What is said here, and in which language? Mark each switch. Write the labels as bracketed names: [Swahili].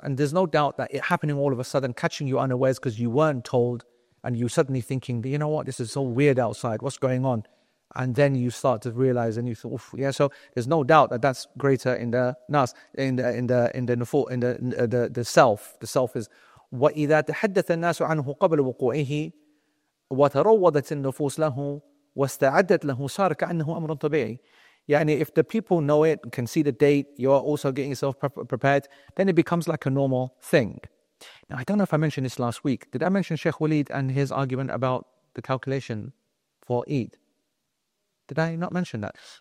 [English] And there's no doubt that it happening all of a sudden, catching you unawares because you weren't told and you suddenly thinking, you know what, this is so weird outside. What's going on? And then you start to realize, and you thought, oof, yeah. So there's no doubt that that's greater in the nas, in the self. The self is what either [Arabic] تحدث الناس عنه قبل وقوعه وتروضت النفوس له واستعدت له صار كأنه أمر طبيعي. [English] يعني if the people know it, can see the date, you are also getting yourself prepared, then it becomes like a normal thing. Now I don't know if I mentioned this last week. Did I mention Sheikh Walid and his argument about the calculation for Eid? Did I not mention that?